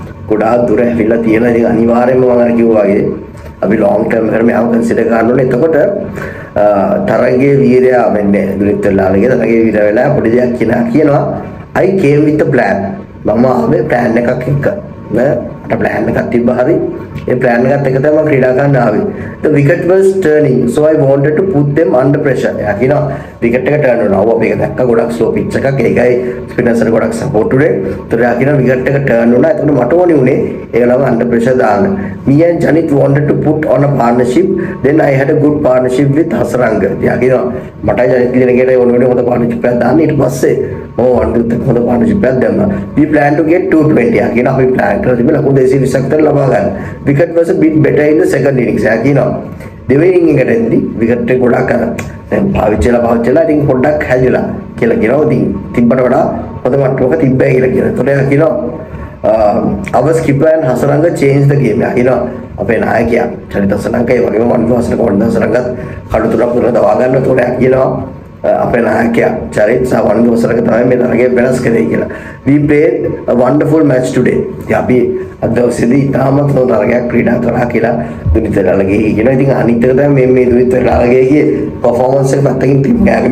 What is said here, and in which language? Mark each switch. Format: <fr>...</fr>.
<si>ගොඩා දුර ඇවිල්ලා තියෙන එක අනිවාර්යෙන්ම මම අර කිව්වා වගේ අපි ලොง ටර්ම් එකට මේව කන්සිඩර් කරන්න ඕනේ. එතකොට තරගයේ වීරයා වෙන්නේ දුරිටලාලගේ තරගයේ වීරයා වෙලා පොඩි දෙයක් කියනවා</si> <en>I came with a plan.</en> <si>මම ආවේ plan එකක් එක්ක. නෑ අපේ plan එකක් තිබ්බා හරි. ඒ plan එකත් එක්ක තමයි මම ක්‍රීඩා ගන්න ආවේ.</si> <en>The wicket was turning so I wanted to put them under pressure.</en> <si>එයා කියනවා wicket එක turn වෙනවා. ඔව් මේක දැක්ක ගොඩක් slow pitch එකක්. ඒකයි spinners ගොඩක් support උනේ. ඒතර එයා කියනවා wicket එක turn වුණා. එතකොට මට ඕනේ උනේ ඒකලව under pressure දාන්න.</si> <en>Me and Janith wanted to put on a partnership. Then I had a good partnership with Hasaranga.</en> <si>එයා කියනවා මට Janith කියන කෙනා ඕනේ හොඳ partnership එකක් දාන්න. ඊට පස්සේ ඕ අනිත් එක හොඳ partnership එකක් දැම්මා.</si> <en>We plan to get 220.</en> <si>එයා කියනවා අපි plan කරලා තිබුණා ලකුණු 220ක් තර ලබා ගන්න.</si> <en>Wicket was a bit better in the second innings.</en> <si>එයා කියනවා දෙවෙනි එකට එද්දි විකට් එක ගොඩක් අර දැන් පාවිච්චිලා ඉතින් පොඩ්ඩක් හැදිලා කියලා කියනවා. ඉතින් තිබ්බට වඩා හොඳ මට්ටමක තිබ්බයි කියලා කියනවා. එතකොට එයා කියනවා</si> <en>our skipper and Hasaranga changed the game.</en> <si>එයා කියනවා අපේ නායකයා චරිත Hasaranga ඒ වගේම වන්දනාසන කොණ්ඩ Hasaranga කඩු තුනක් දුන්න දවා ගන්න. එතකොට එයා කියනවා අපේ නායකයා චරිත් සහ වන්දනාසනක තමයි මේ තරගය වෙනස් කරේ කියලා.</si> <en>We played a wonderful match today.</en> <si>අපි අද දවසේදී ඉතාමත් හොඳ තරගයක් ක්‍රීඩා කරා කියලා දුනිතරලගේ කියනවා. ඉතින් අනිත් එක තමයි මේ දුනිතරලගේ performance එක පැත්තකින් තියෙනවා.</si>